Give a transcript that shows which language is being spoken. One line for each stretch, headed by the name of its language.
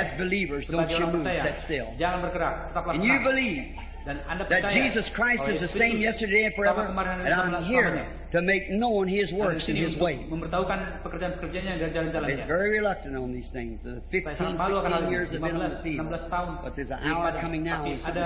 English: as believers, don't you move,
Indonesian: saya,
English: set still.
Indonesian: Jangan bergerak, tetaplah
English: and you believe
Indonesian: dan anda
English: that Jesus Christ is the same yesterday and forever, and I'm here to make known his works and his ways.
Indonesian: Memberitahukan pekerjaan-pekerjaannya dan jalan-jalannya.
English: I've been very reluctant on these things. The 15, 16 years have been on the field. But there's an hour coming now and